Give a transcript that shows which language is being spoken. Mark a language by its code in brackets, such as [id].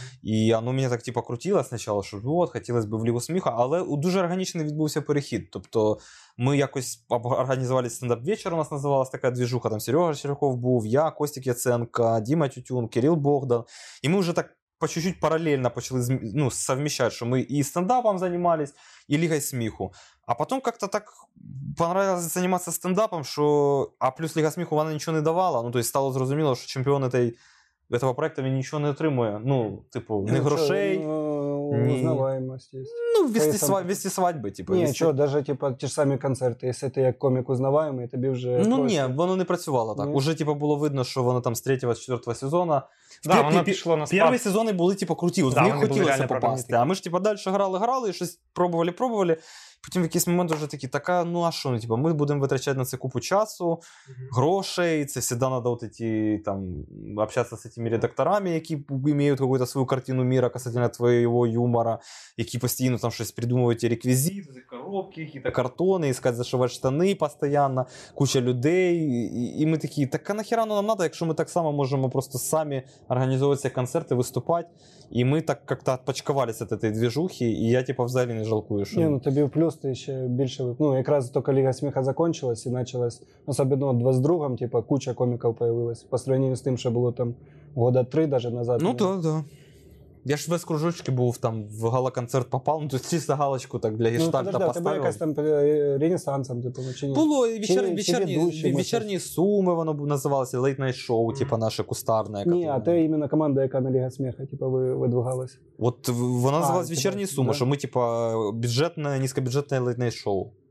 [uk] І воно мене так, типу, крутило спочатку, що от, хотілося б в лігу сміху, але дуже органічно відбувся перехід. Тобто ми якось організували стендап-вечір, у нас називалася така двіжуха, там Серега Серяков був, я, Костик Яценко, Діма Тютюн, Кирил Богдан. І ми вже так по чуть-чуть паралельно почали, ну, совміщати, що ми і стендапом займались, і лігою сміху. [ru] А потом как-то так понравилось заниматься стендапом, что... А плюс Лига Смеху, она ничего не давала. Ну, то есть [uk] стало зрозуміло, [ru] что чемпион этого проекта ничего не отримує. [uk] Ну, типу, ну, ни грошей, [ru] ни... Узнаваемость есть. Ну, вести, вести свадьбы, типа. Не, что, даже, типа, те же самые концерты. Если ты, как комик, узнаваемый, тебе уже... [uk] Ну, не, воно не працювало так. Ну. [ru] Уже, типа, было видно, что воно там с 3-го, 4-го сезона... [uk] Да, воно пішло на спад. [ru] Первые сезоны были, типа, крутые. Да, вони были реально попасти. Прогнитые. А мы же, типа, дальше грали, и щось пробовали. [uk] потім в якийсь момент вже такий, така, ну а що, ну, типу, ми будемо витрачати на це купу часу, грошей, це [ru] всегда надо вот эти, там, общаться [uk] з цими редакторами, які мають [ru] какую-то свою картину [uk] міра касательно твоєго юмора, які постійно там щось придумують, реквізит, коробки, якісь картони, іскати зашивати штани постоянно, куча людей, і ми такі, так а нахера ну нам надо, якщо ми так само можемо просто самі організовувати ці концерти, виступати, і ми так как-то отпочкувалися від цієї движухи, і я, типу, взагалі не жалкую, що... Ні, ну тобі в плюс ти ще більше, ну якраз тільки Ліга Сміха закінчилась і почалась, особливо два з другом, типу, куча коміків появилась, [ru] по сравнению [uk] з тим, що було там [ru] года три даже назад. [uk] Ну так, так. Я ж весь кружочки був там, в гала-концерт попав, ну то чисто галочку так для гештальта ну, поставив. Ну подожди, а тебе якась там ренесансом, типу, ну чи ні? Було, вечерні суми воно називалося, лейт-найт-шоу, типу, наше кустарне. Ні, а то іменно команда, яка на Ліга Сміха, типу, видвигалася. От вона називалась вечерні суми, да. Що ми, типу, бюджетне, низькобюджетне лейт-найт-шоу.